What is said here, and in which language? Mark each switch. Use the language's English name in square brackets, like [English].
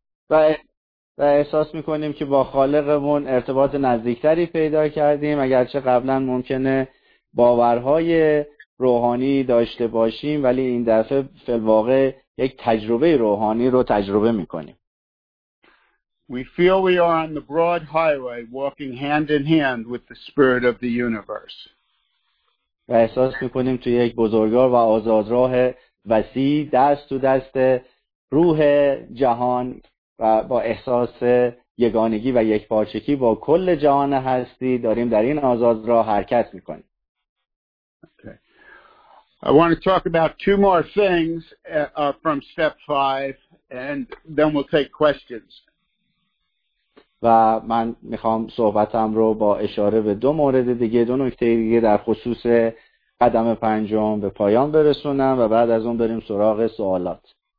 [Persian] و احساس میکنیم که با خالقمون ارتباط نزدیکتری پیدا کردیم، اگرچه قبلا ممکنه باورهای روحانی داشته باشیم، ولی این دفعه فی الواقع یک تجربه روحانی رو تجربه میکنیم. [English] We feel we are on the broad highway walking hand in hand with the spirit of the universe. [Persian] و احساس میکنیم توی یک بزرگوار و آزادراه وسیع دست تو دست روح جهان و با احساس یگانگی و یک پارچگی با کل جهان هستی داریم در این آزاد راه حرکت میکنیم. [English] Okay. I want to talk about two more things from step 5 and then we'll take questions. [Persian] و من میخوام صحبتم رو با اشاره به دو مورد دیگه، دو نکته دیگه در خصوص قدم پنجم به پایان برسونم و بعد از اون بریم سراغ سوالات.